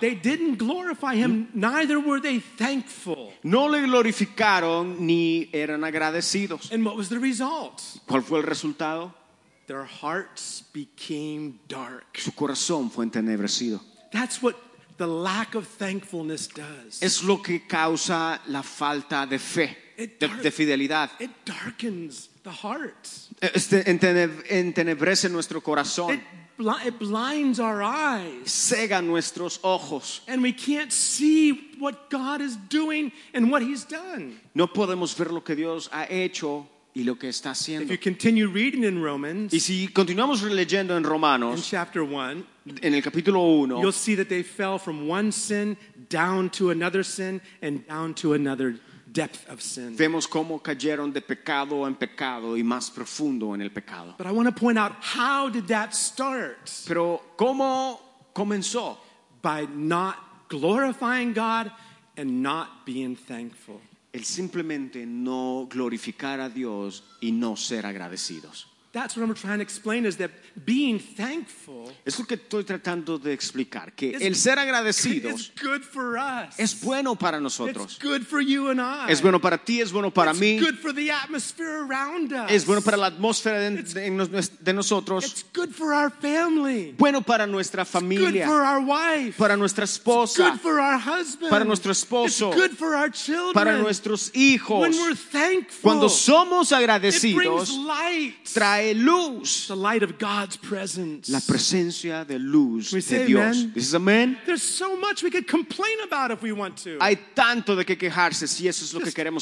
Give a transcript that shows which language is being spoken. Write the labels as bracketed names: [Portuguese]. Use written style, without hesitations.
[English] They didn't glorify him, neither were they thankful. [Spanish] No le glorificaron ni eran agradecidos. [English] And what was the result? [Spanish] ¿Cuál fue el resultado? [English] Their hearts became dark. [Spanish] Su corazón fue entenebrecido. [English] That's what the lack of thankfulness does. [Spanish] Es lo que causa la falta de fe, de fidelidad. [English] It darkens the heart. [Spanish] Entenebrece nuestro corazón. [English] It blinds our eyes. [Spanish] Cega nuestros ojos. [English] And we can't see what God is doing and what he's done. [Spanish] No podemos ver lo que Dios ha hecho y lo que está haciendo. [English] If you continue reading in Romans, [Spanish] y si continuamos leyendo en Romanos, [English] in chapter 1, [Spanish] en el capítulo 1, [English] you'll see that they fell from one sin down to another sin and down to another depth of sin. [Spanish] Vemos cómo cayeron de pecado en pecado y más profundo en el pecado. [English] But I want to point out, how did that start? [Spanish] Pero ¿cómo comenzó? [English] By not glorifying God and not being thankful. [Spanish] El simplemente no glorificar a Dios y no ser agradecidos. [English] That's what I'm trying to explain, is that being thankful. [Spanish] Es lo que estoy tratando de explicar, que el ser agradecidos [English] is good for us. [Spanish] Es bueno para nosotros. [English] It's good for you and I. [Spanish] Es bueno para ti, es bueno para [English] it's [Spanish] mí. [English] It's good for the atmosphere around us. [Spanish] Es bueno para la atmósfera de nosotros. [English] It's good for our family. [Spanish] Bueno para nuestra familia. [English] It's good for our wife. [Spanish] Para nuestra esposa. [English] It's good for our husband. [Spanish] Para nuestro esposo. [English] It's good for our children. [Spanish] Para nuestros hijos. [English] When we're thankful, [Spanish] cuando somos agradecidos, [English] it brings light. [Spanish] Trae trae luz. [English] The light of God's presence. [Spanish] La presencia de luz [English] we [Spanish] de [English] say [Spanish] Dios. [English] Amen. This is amen. There's so much we could complain about if we want to. [Spanish] Hay tanto de que quejarse si eso es lo que queremos